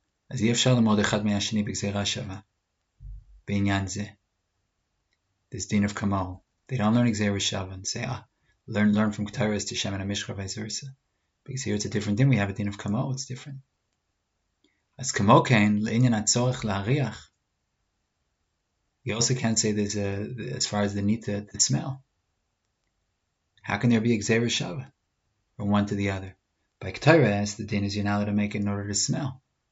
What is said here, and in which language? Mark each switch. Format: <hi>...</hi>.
<he>אז אי אפשר ללמוד אחד מהשני בגזירה שווה. בעניין זה.</he> <en>This din of kamo. They don't learn gzeira shava and say, learn from k'taris to shemen ha-mishra vice versa. Because here it's a different din. We have a din of kamo. It's different.</en> <he>אז כמו כן, לעניין הצורך להריח.</he> <en>You also can't say there's a, as far as the need to the smell. How can there be a gzeira shava from one to the other? By k'taris, the din is you're not allowed to make it in order to smell.</en>